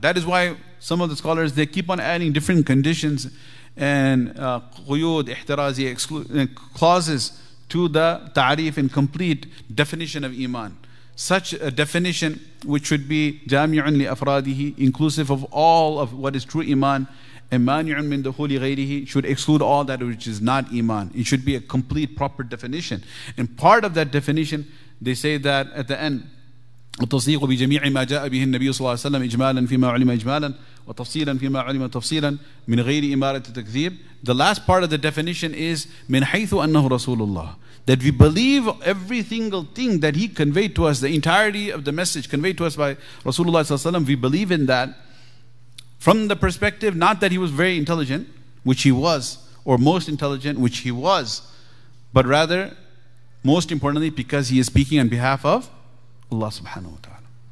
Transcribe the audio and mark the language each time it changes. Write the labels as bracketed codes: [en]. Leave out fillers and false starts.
[en] That is why some of the scholars, they keep on adding different conditions and quyud, ihtirazi, clauses to the ta'rif and complete definition of iman. Such a definition which should be [ar] jami'un li afradihi, [en] inclusive of all of what is true iman, and [ar] mani'un min dukhuli ghayrihi, [en] should exclude all that which is not iman. It should be a complete proper definition. And part of that definition, they say that at the end, [ar] وَتَصْدِيقُ بِجَمِيعِ مَا جَاءَ بِهِ النَّبِيُّ صَلَّى اللَّهُ عَلَيْهِ وَسَلَّمَ إِجْمَالًا فِيمَا عُلِمَ إِجْمَالًا وَتَفْصِيلًا فِيمَا عُلِمَ تَفْصِيلًا مِنْ غَيْرِ إِمَارَةِ تَكْذِيبٍ. [en] The last part of the definition is [ar] مِنْ حَيْثُ أَنَّهُ رَسُولُ اللَّهِ, [en] that we believe every single thing that he conveyed to us, the entirety of the message conveyed to us by Rasulullah, we believe in that from the perspective, not that he was very intelligent, which he was, or most intelligent, which he was, but rather, most importantly, because he is speaking on behalf of Allah subhanahu wa ta'ala.